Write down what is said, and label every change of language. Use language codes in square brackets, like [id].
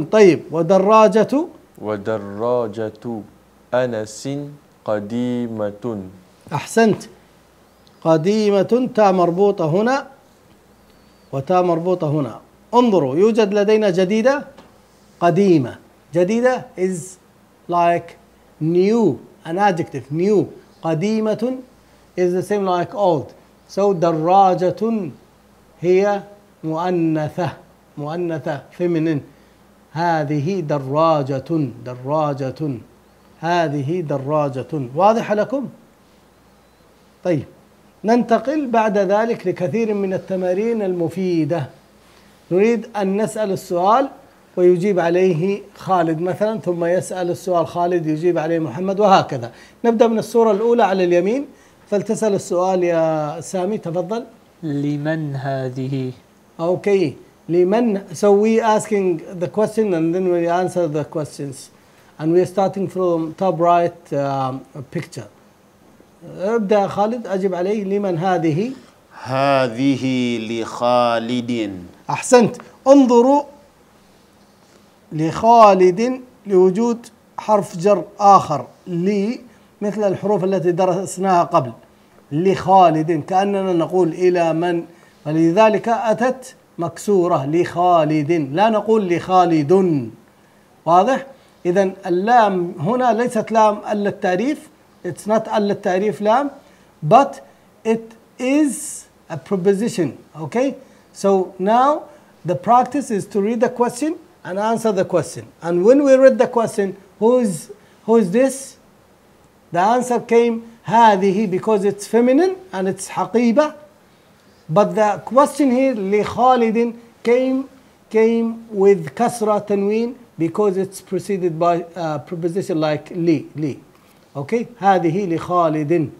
[ar] طيب ودراجة. ودراجة أنس قديمة. أحسنت. قديمة، تاء مربوطة هنا وتاء مربوطة هنا. انظروا، يوجد لدينا جديدة قديمة. [en] جديدة is like new, an adjective. new. قديمة is the same like old. [ar] so دراجة هي مؤنثة، مؤنثة feminine. هذه دراجة، دراجة. هذه دراجة. واضحة لكم؟ طيب ننتقل بعد ذلك لكثير من التمارين المفيدة. نريد أن نسأل السؤال ويجيب عليه خالد مثلا، ثم يسأل السؤال خالد يجيب عليه محمد، وهكذا. نبدأ من الصورة الأولى على اليمين، فلتسأل السؤال يا سامي. تفضل. لمن هذه؟ أوكي. [en] لمن؟ So we asking the question and then we answer the questions. And we are starting from top right picture. [ar] ابدأ خالد، أجب عليه. لمن هذه؟ هذه لخالد. أحسنت. انظروا، لخالد لوجود حرف جر آخر. لي مثل الحروف التي درسناها قبل، لخالد كأننا نقول إلى من، لذلك أتت مكسورة لخالد، لا نقول لخالد، واضح؟ إذن اللام هنا ليست لام ألا التعريف، [en] it's not [ar] ألا التعريف لام، [en] but it is a preposition. Okay, so now the practice is to read the question and answer the question. And when we read the question, who is this? The answer came هذه, because it's feminine and it's حقيبة. But the question here لخالد came with كسرة تنوين, because it's preceded by a preposition like لي. [ar] Okay, هذه لخالد.